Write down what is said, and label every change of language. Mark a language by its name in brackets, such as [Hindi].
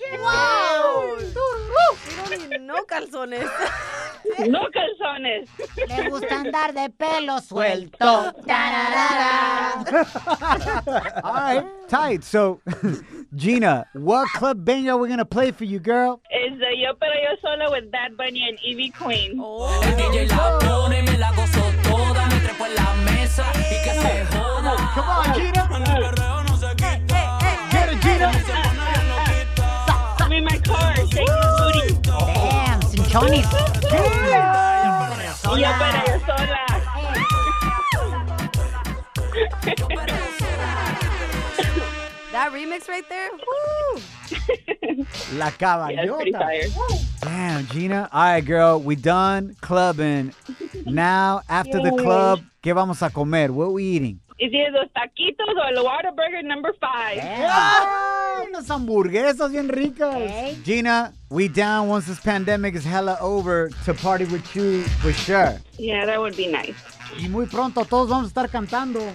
[English] Wow. You don't need no calzones. [Spanish] No calzones. Le gusta andar de pelo suelto. Ta-da-da-da. [English] All right, tight. So, Gina, what club banger are we going to play for you, girl? It's the Yo Pero Yo Solo with Bad Bunny and Evie Queen. [Spanish] El DJ la pone, me la gozo toda, me trepo en la mesa y que se joda. [English] Come on, Gina. [Spanish] Cuando el perreo no se quita. [English] Get it, Gina. I'm in my car, shaking the booty. Damn, Cinchonis. [Spanish] Yo Pero Yo Sola. [English] That remix right there? Woo! [Spanish] La caballota. [English] Yeah, damn, Gina. All right, girl. We done clubbing. Now, after the club, [Spanish] ¿qué vamos a comer? [English] What are we eating? Is it los taquitos or el Whataburger number 5? [Spanish] Unas hamburguesas bien ricas. [English] Gina, we down once this pandemic is hella over to party with you for sure. Yeah, that would be nice. [Spanish] Y muy pronto todos vamos a estar cantando.